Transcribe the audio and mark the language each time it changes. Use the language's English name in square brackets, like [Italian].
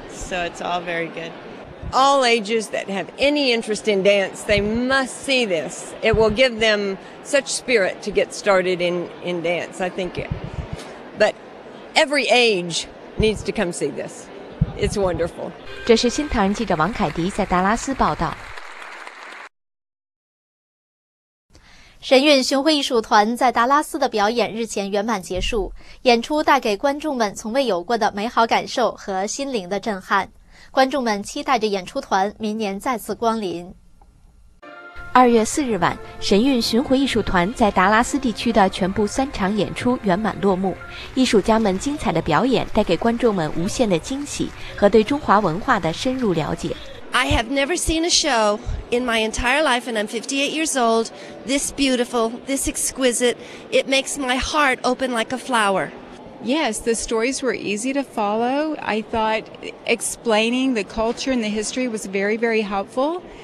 [English] So it's all very good. All ages that have any interest in dance, they must see this. It will give them such spirit to get started in dance, I think. But every age needs to come see this. It's wonderful. [Chinese] 这是新唐人记者王凯迪在达拉斯报道。神韵巡回艺术团在达拉斯的表演日前圆满结束，演出带给观众们从未有过的美好感受和心灵的震撼。观众们期待着演出团明年再次光临。 2月4日晚，神韵巡回艺术团在达拉斯地区的全部三场演出圆满落幕，艺术家们精彩的表演带给观众们无限的惊喜和对中华文化的深入了解。 [English] I have never seen a show in my entire life, and I'm 58 years old, this beautiful, this exquisite. It makes my heart open like a flower. Yes, the stories were easy to follow. I thought explaining the culture and the history was very, very helpful.